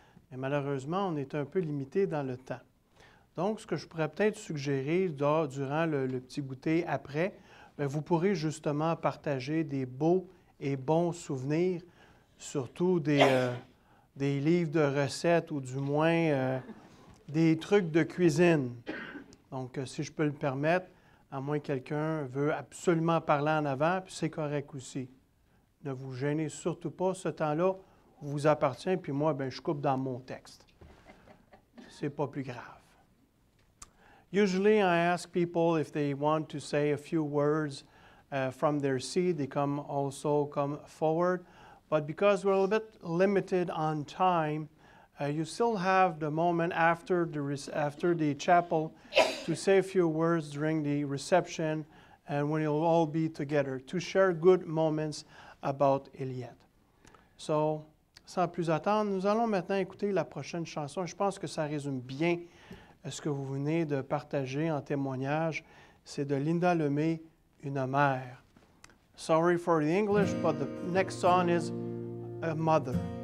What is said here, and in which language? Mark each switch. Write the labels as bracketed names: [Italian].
[French] Mais malheureusement, on est un peu limité dans le temps. Donc, ce que je pourrais peut-être suggérer durant le petit goûter après, bien, vous pourrez justement partager des beaux et bons souvenirs, surtout des livres de recettes ou du moins des trucs de cuisine. Donc, si je peux le permettre, à moins que quelqu'un veut absolument parler en avant, puis c'est correct aussi. Ne vous gênez surtout pas, ce temps-là vous appartient, puis moi, ben, je coupe dans mon texte. C'est pas plus grave. [English] Usually, I ask people if they want to say a few words from their seat. They come also come forward. But because we're a little bit limited on time, you still have the moment after the after the chapel to say a few words during the reception and when you'll all be together to share good moments about Eliette. [French] So, sans plus attendre, nous allons maintenant écouter la prochaine chanson. Je pense que ça résume bien ce que vous venez de partager en témoignage. C'est de Linda Lemay, Une mère. [English] Sorry for the English, but the next song is A Mother.